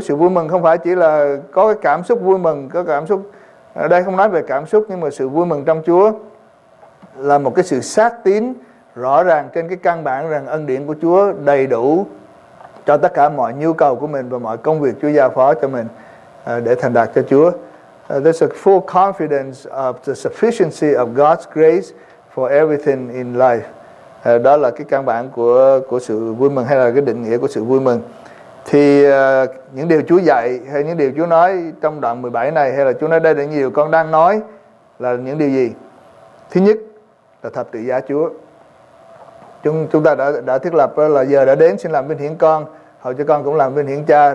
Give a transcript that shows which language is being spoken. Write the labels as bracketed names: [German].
[Vietnamese] Sự vui mừng không phải chỉ là có cái cảm xúc vui mừng, có cảm xúc, ở đây không nói về cảm xúc, nhưng mà sự vui mừng trong Chúa là một cái sự xác tín rõ ràng trên cái căn bản rằng ân điển của Chúa đầy đủ cho tất cả mọi nhu cầu của mình và mọi công việc Chúa giao phó cho mình để thành đạt cho Chúa. [English] There's a full confidence of the sufficiency of God's grace for everything in life. [Vietnamese] Đó là cái căn bản của sự vui mừng, hay là cái định nghĩa của sự vui mừng. Thì những điều Chúa dạy, hay những điều Chúa nói trong đoạn 17 này, hay là Chúa nói đây là những điều con đang nói, là những điều gì? Thứ nhất là thập tự giá Chúa. Chúng ta đã thiết lập là giờ đã đến, xin làm vinh hiển con, hầu cho con cũng làm vinh hiển Cha.